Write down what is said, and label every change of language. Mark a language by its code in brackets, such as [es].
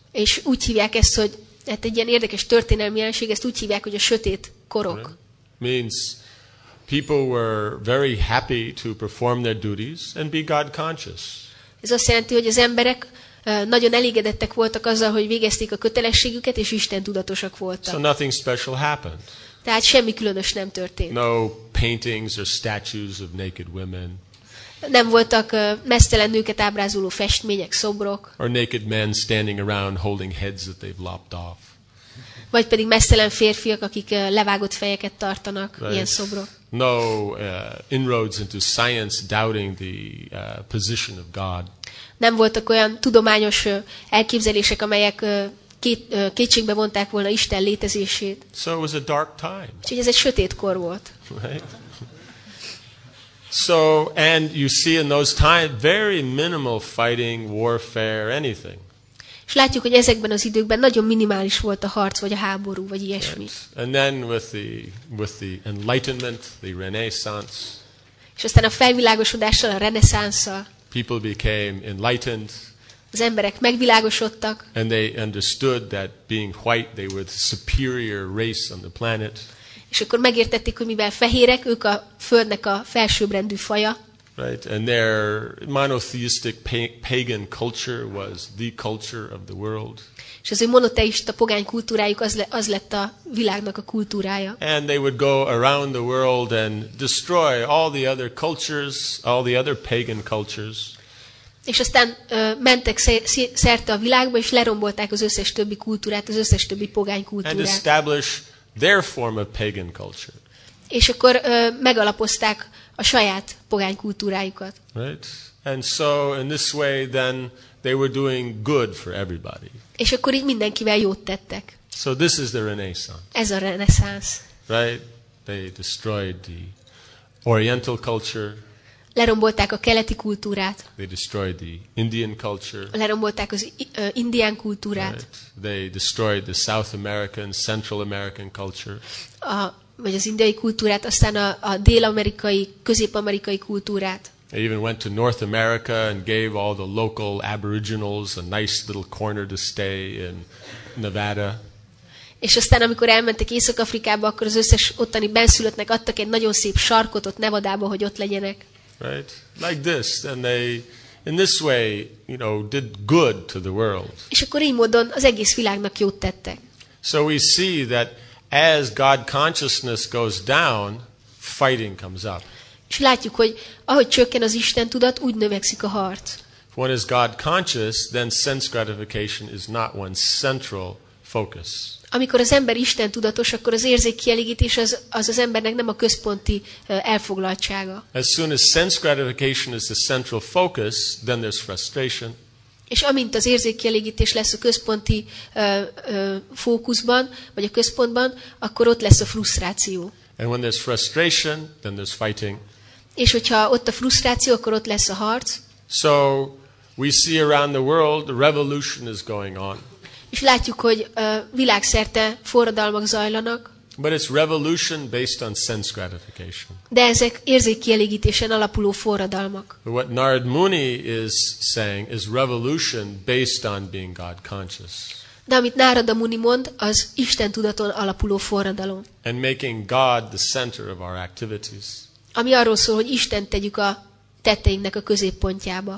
[hu] És úgy hívják ezt, hogy hát egy ilyen érdekes történelmi jelenség, ezt úgy hívják, hogy a sötét korok. [en] Right? Means people were very happy to perform their duties and be God conscious. [hu] Ez azt jelenti, hogy az emberek nagyon elégedettek voltak azzal, hogy végezték a kötelességüket, és Isten tudatosak voltak. [en] So nothing special happened. [hu] Tehát semmi különös nem történt. [en] No paintings or statues of naked women. [hu] Nem voltak meztelen nőket ábrázoló festmények, szobrok. [en] Or naked men standing around holding heads that they've lopped off. [hu] Vagy pedig meztelen férfiak, akik levágott fejeket tartanak, right. Ilyen szobrok. [en] No inroads into science doubting the position of God. [hu] Nem voltak olyan tudományos elképzelések, amelyek kétségbe vonták volna Isten létezését. [en] So it was a dark time. [hu] Úgyhogy ez egy sötét kor volt. [en] Right? So and you see in those times very minimal fighting, warfare, anything. [hu] És látjuk, hogy ezekben az időkben nagyon minimális volt a harc vagy a háború vagy ilyesmi. [en] Right. And then with the Enlightenment, the Renaissance. [hu] És aztán a felvilágosodással, a reneszánszal. [en] People became enlightened. [hu] Az emberek megvilágosodtak. [en] And they understood that being white they were the superior race on the planet. [hu] És akkor megértették, hogy mivel fehérek, ők a földnek a felsőbbrendű faja. [en] Right, and their monotheistic pagan culture was the culture of the world. [hu] És az ő monoteista pogány kultúrájuk az lett a világnak a kultúrája. [en] And they would go around the world and destroy all the other cultures, all the other pagan cultures. [hu] És aztán mentek szerte a világba, és lerombolták az összes többi kultúrát, az összes többi pogány kultúrát. [en] And establish their form of pagan culture. [hu] És akkor megalapozták a saját pogány kultúrájukat. [en] Right. And so in this way then they were doing good for everybody. [hu] És akkor így mindenkivel jót tettek. [en] So this is the Renaissance. [hu] Ez a reneszánsz. [en] Right. They destroyed the oriental culture. [hu] Lerombolták a keleti kultúrát. [en] They destroyed the Indian culture. [hu] Lerombolták az indián kultúrát. [en] Right. They destroyed the South American, Central American culture. [hu] Vagy az indiai kultúrát, aztán a dél-amerikai, közép-amerikai kultúrát. [en] They even went to North America and gave all the local aboriginals a nice little corner to stay in Nevada. [hu] És aztán, amikor elmentek Észak-Afrikába, akkor az összes ottani benszülöttnek adtak egy nagyon szép sarkot ott Nevadába, hogy ott legyenek. [en] Right, like this, and they, in this way, you know, did good to the world. [hu] És akkor így módon az egész világnak jót tettek. [en] So we see that as God consciousness goes down, fighting comes up. [hu] És látjuk, hogy ahogy csökken az Isten tudat, úgy növekszik a harc. [en] If one is God conscious, then sense gratification is not one's central focus. [hu] Amikor az ember Isten tudatos, akkor az érzékkielégítés az embernek nem a központi elfoglaltsága. [en] As soon as sense gratification is the central focus, then there's frustration. [hu] És amint az érzékkielégítés lesz a központi fókuszban, vagy a központban, akkor ott lesz a frusztráció. [en] And when there's frustration, then there's fighting. [hu] És hogyha ott a frusztráció, akkor ott lesz a harc. [en] So we see around the world the revolution is going on. [hu] És látjuk, hogy világszerte forradalmak zajlanak. [en] But it's revolution based on sense gratification. [hu] De ezek érzékkielégítésen alapuló forradalmak. [en] What Narad Muni is saying is revolution based on being God conscious. [hu] De amit Narada Muni mond, az Isten tudaton alapuló forradalom. [en] And making God the center of our activities. [hu] Ami arról szól, hogy Isten tegyük a tetteinknek a középpontjába.